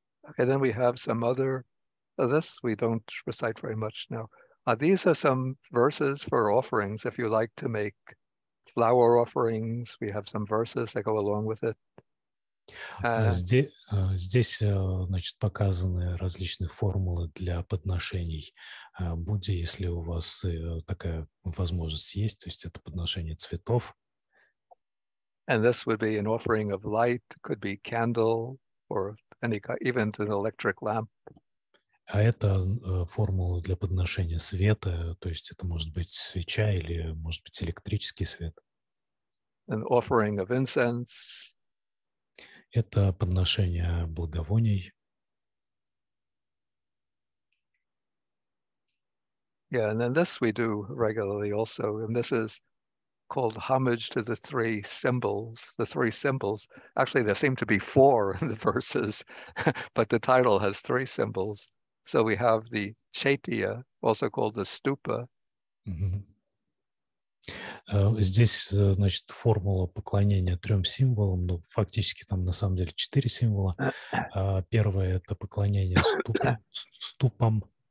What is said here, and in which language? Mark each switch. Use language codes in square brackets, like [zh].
[en] Okay, then we have some other, this we don't recite very much now. These are some verses for offerings. If you like to make flower offerings, we have some verses that go along with it. [ru] Здесь, значит, показаны различные формулы для подношений Будде, если у вас такая возможность есть, то есть это подношение цветов. [en] And this would be an offering of light, could be candle, or any, even an electric lamp. [ru] А это формула для подношения света, то есть это может быть свеча или может быть электрический свет. [en] An offering of incense. [ru] Это подношение благовоний. [en] Yeah, and then this we do regularly also, and this is called Homage to the Three Symbols. The three symbols, actually there seem to be four in the verses, but the title has three symbols. So we have the Chaitya, also called the Stupa. Mm-hmm. [ru] Здесь, значит, формула поклонения трем символам, но фактически там на самом деле четыре символа. Первое — это поклонение ступам.